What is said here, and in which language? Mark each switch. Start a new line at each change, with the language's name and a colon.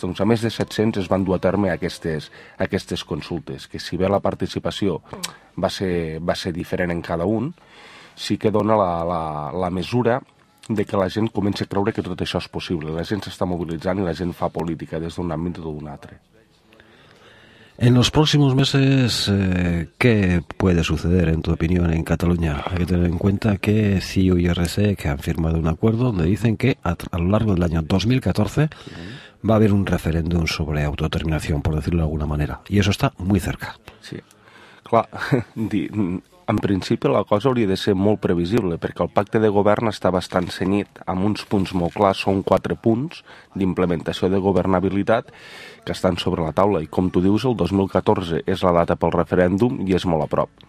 Catalan: Doncs a més de 700 es van dur a terme aquestes consultes, que si bé la participació va ser diferent en cada un, sí que dona la mesura de que la gent comença a creure que tot això és possible. La gent s'està mobilitzant i la gent fa política des d'un àmbit o d'un altre.
Spanish: En los próximos meses, ¿qué puede suceder, en tu opinión, en Cataluña? Hay que tener en cuenta que CiU y RC que han firmado un acuerdo donde dicen que a lo largo del año 2014 va a haber un referéndum sobre autodeterminación, por decirlo de alguna manera. Y eso está muy cerca. Sí.
Catalan: Clar, en principio la cosa hauria de ser molt previsible, perquè el pacte de govern està bastant cenyit amb uns punts molt clars, són quatre punts d'implementació de governabilitat que estan sobre la taula, i com tu dius, el 2014 és la data pel referèndum i és molt a prop.